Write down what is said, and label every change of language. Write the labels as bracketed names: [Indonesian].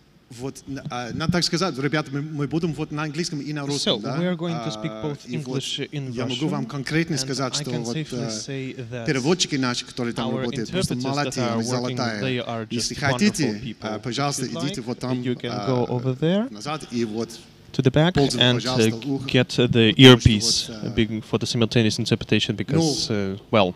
[Russian] Вот, надо так сказать, ребята, мы будем вот на английском и на русском, да? [English] So, we are going to speak both English and Russian. [Russian] Я могу вам конкретно сказать, что вот переводчики наши, которые там работают, просто молодцы, они золотые. Если хотите, пожалуйста, идите вот там назад и вот... [English] To the back and get the earpiece for the simultaneous interpretation because, well,